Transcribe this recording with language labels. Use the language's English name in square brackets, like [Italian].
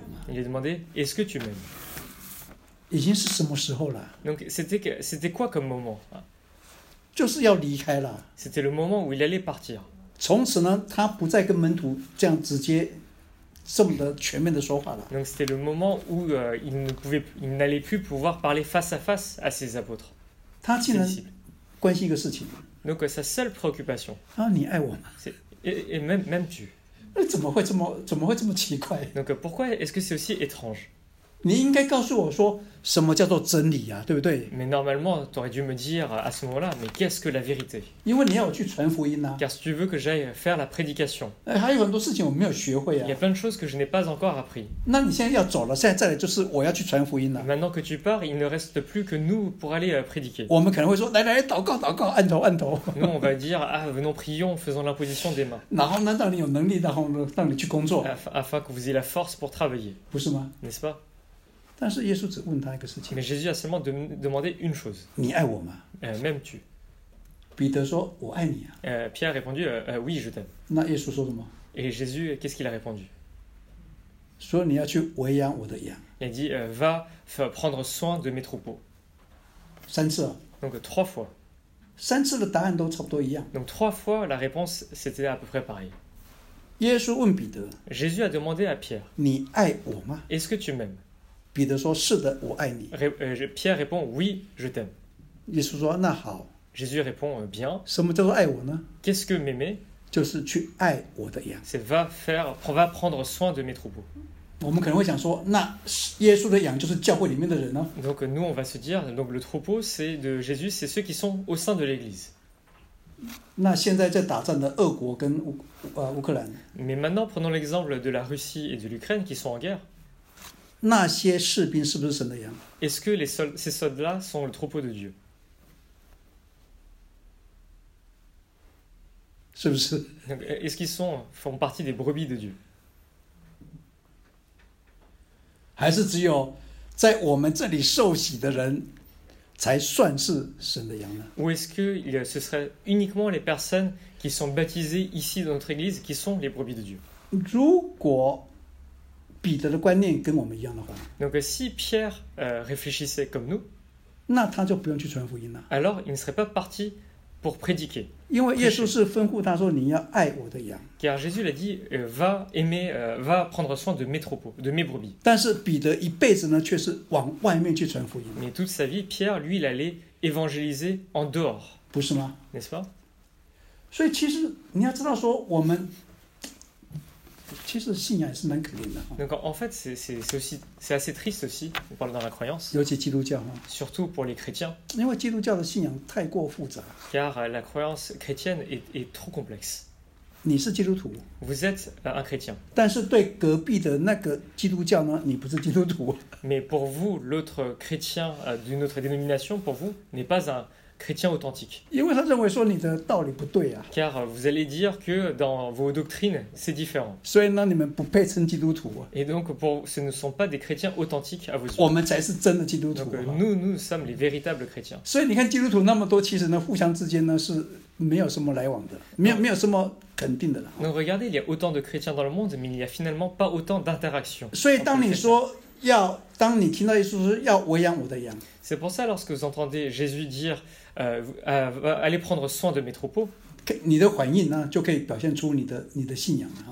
[French] Il a demandé, est-ce que tu m'aimes? Donc, c'était quoi comme moment? [Chinese] 就是要离开了。 [French] C'était le moment où il allait partir. [Chinese] 从此呢，他不再跟门徒这样直接、这么的全面的说话了。 [French] Donc c'était le moment où il n'allait plus pouvoir parler face à face à ses apôtres. [Chinese] 他竟然关心一个事情。 [French] Donc sa seule préoccupation. [Chinese] 啊，你爱我吗？ [French] Et même tu. [Chinese] 怎么会这么奇怪 [French] ？Donc pourquoi est-ce que c'est aussi étrange？ [Chinese] 你应该告诉我说什么叫做真理啊，对不对 [French] ？Mais normalement, tu aurais dû me dire à ce moment-là, mais qu'est-ce que la vérité？ [Chinese] 因为你要我去传福音呐、啊。 [French] Car si tu veux que j'aille faire la prédication。 [Chinese] 还有很多事情我没有学会啊。 [French] Il y a plein de choses que je n'ai pas encore appris。 [Chinese] 那你现在要走了，现在再来就是我要去传福音了、啊。 [French] Maintenant que tu pars, il ne reste plus que nous pour aller prédiquer。 [Chinese] 我们可能会说，来，祷告祷告，按头按头。 [French] Nous on va dire, ah, venons prions, faisons l'imposition des mains。 [Chinese] 然后呢，让你有能力，然后呢，让你去工作。 [French] Afin que vous ayez la force pour travailler。 [Chinese] 不是吗 [French] ？N'est-ce pas？ [Chinese] 但是耶稣只问他一个事情。 [French] Mais Jésus a seulement demandé une chose. [Chinese] 你爱我吗？ [French] m'aimes-tu? [Chinese] 彼得说：“我爱你啊。” [French] Pierre répondu: oui, je t'aime. [Chinese] 那耶稣说什么 [French] ？Et Jésus, qu'est-ce qu'il a répondu? [Chinese] 说你要去喂养我的羊。 [French] Il a dit: va prendre soin de mes troupeaux. [Chinese] 三次。 [French] Donc trois fois. [Chinese] 三次的答案都差不多一样。 [French] Donc trois fois, la réponse c'était à peu près pareil. [Chinese] 耶稣问彼得。 [French] Jésus a demandé à Pierre: [Chinese] 你爱我吗 [French] ？Est-ce que tu m'aimes? [Chinese] 彼得说：“是的，我爱你。” [French] Pierre répond: « Oui, je t'aime. » [Chinese] 耶稣说：“那好。” [French] Jésus répond: « Bien. » [Chinese] 什么叫做爱我呢 [French] ？Qu'est-ce que m'aimer？ [Chinese] 就是去爱我的羊。 [French] C'est va prendre soin de mes troupeaux. [Chinese] 我们可能会想说：“那耶稣的羊就是教会里面的人呢、啊、 [French] ？”Donc nous on va se dire donc le troupeau c'est de Jésus c'est ceux qui sont au sein de l'Église. [Chinese] 那现在在打仗的俄国跟乌克兰。 [French] Mais maintenant prenons l'exemple de la Russie et de l'Ukraine qui sont en guerre. [Chinese] 那些士兵是不是神的羊 [French] ？Est-ce que les ces soldats-là sont le troupeau de Dieu？ [Chinese] 是不是 [French] ？Est-ce qu'ils font partie des brebis de Dieu？ [Chinese] 还是只有在我们这里受洗的人才算是神的羊呢 [French] ？Ou est-ce que ce serait uniquement les personnes qui sont baptisées ici dans notre église qui sont les brebis de Dieu？ [Chinese] 如果彼得的观念跟我们一样的话 [French] ，Donc si Pierre réfléchissait comme nous， [Chinese] 那他就不用去传福音了。 [French] Alors il ne serait pas parti pour prédiquer。 [Chinese] 因为耶稣是吩咐他说你要爱我的羊。 [French] Car Jésus l'a dit va aimer va prendre soin de mes troupeaux de mes brebis。 [Chinese] 但是彼得一辈子呢却是往外面去传福音。 [French] Mais toute sa vie Pierre lui il allait évangéliser en dehors。 [Chinese] 不是吗 [French] ？N'est-ce pas？ [Chinese] 所以其实你要知道说我们。其实信仰也是蛮可怜的。 [French] Donc en fait, c'est assez triste aussi. On parle dans la croyance. [Chinese] 尤其基督教。 [French] Surtout pour les chrétiens. [Chinese] 因为基督教的信仰太过复杂。 [French] Car la croyance chrétienne est trop complexe. [Chinese] 你是基督徒。 [French] Vous êtes un chrétien. [Chinese] 但是对隔壁的那个基督教呢，你不是基督徒。 [French] Mais pour vous, l'autre chrétien d'une autre dénomination, pour vous, n'est pas un chrétien authentique. [Chinese] 因为他认为说你的道理不对啊。 [French] Car vous allez dire que dans vos doctrines, c'est différent. [Chinese] 所以呢，你们不配称基督徒。 [French] Et donc, pour, ce ne sont pas des chrétiens authentiques à vos yeux. [Chinese] 我们才是真的基督徒。 [French] Nous, nous sommes les véritables chrétiens. [Chinese] 所以你看基督徒那么多，其实呢，互相之间呢是没有什么来往的，没有什么。 [French] Donc regardez, il y a autant de chrétiens dans le monde, mais il n'y a finalement pas autant d'interactions. [Chinese] 所以当你说要，当你听到耶稣说要喂养我的羊。 [French] C'est pour ça lorsque vous entendez Jésus dire, allez prendre soin de mes troupeaux. [Chinese] 你的反应呢，就可以表现出你的信仰。